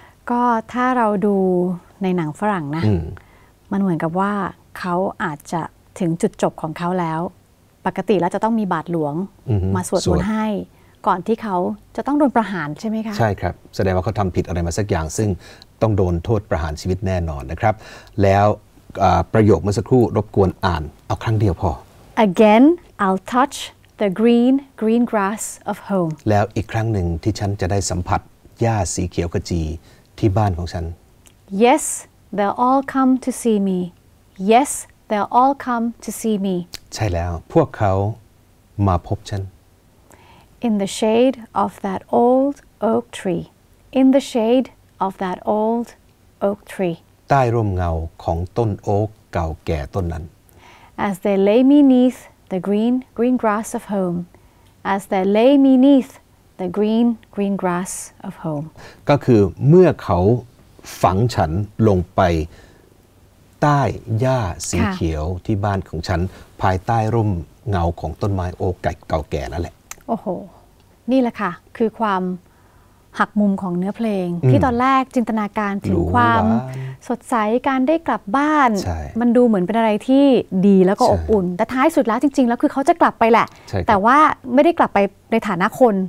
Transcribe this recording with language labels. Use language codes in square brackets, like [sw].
[th] ก็ถ้าเราดูในหนังฝรั่งนะมันเหมือนกับว่าเขาอาจจะถึงจุดจบของเขาแล้วปกติแล้วจะต้องมีบาทหลวงมาสวดมนต์ให้ก่อนที่เขาจะต้องโดนประหารใช่ไหมคะ ใช่ครับแสดงว่าเขาทำผิดอะไรมาสักอย่างซึ่งต้องโดนโทษประหารชีวิตแน่นอนนะครับแล้วประโยคเมื่อสักครู่รบกวนอ่านเอาครั้งเดียวพอ [en] Again I'll touch the green grass of home [th] แล้วอีกครั้งหนึ่งที่ฉันจะได้สัมผัสหญ้าสีเขียวขจีที่บ้านของฉัน [en] Yes they'll all come to see me Yes they'll all come to see me [th] ใช่แล้วพวกเขามาพบฉัน [en] In the shade of that old oak tree In the shade of that old oak tree [th] ใต้ร่มเงาของต้นโอ๊กเก่าแก่ต้นนั้น [en] As they lay me neath the green grass of home As they lay me neathThe green grass of home. [th] ก็คือเมื่อเขาฝังฉันลงไปใต้หญ้าสีเขียวที่บ้านของฉันภายใต้ร่มเงาของต้นไม้โอ๊กเก่าแก่นั่นแหละ โอ้โหนี่แหละค่ะคือความหักมุมของเนื้อเพลงที่ตอนแรกจินตนาการถึงความสดใสการได้กลับบ้านมันดูเหมือนเป็นอะไรที่ดีแล้วก็อบอุ่นแต่ท้ายสุดแล้วจริงๆแล้วคือเขาจะกลับไปแหละแต่ว่าไม่ได้กลับไปในฐานะคน